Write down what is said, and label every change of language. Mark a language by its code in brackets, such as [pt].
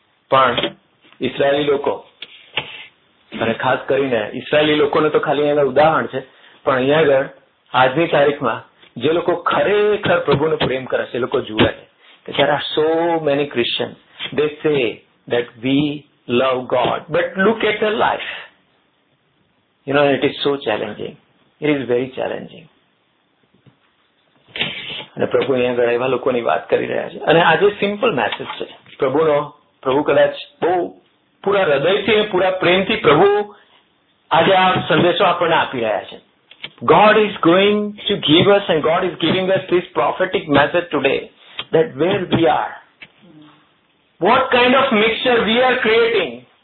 [gu] પણ ઇસ્રાયેલી લોકો અને ખાસ કરીને ઇસ્રાયેલી લોકોને તો ખાલી અહીંયા ઉદાહરણ છે, પણ અહીંયા આગળ આજની તારીખમાં જે લોકો ખરેખર પ્રભુને પ્રેમ કરે છે એ લોકો જુએ છે કે [en] There are so many Christians, they say that we love God, but look at her life. You know, it is so challenging. It is very challenging. [gu] અને પ્રભુ અહીંયા ઘણા એવા લોકોની વાત કરી રહ્યા છે, અને આજે સિમ્પલ મેસેજ છે પ્રભુનો. પ્રભુ કદાચ બહુ પૂરા હૃદયથી અને પૂરા પ્રેમથી પ્રભુ આજે આ સંદેશો આપણને આપી રહ્યા છે. [en] God is going to give us and God is giving us this prophetic message today that where we are, what kind of mixture we are creating.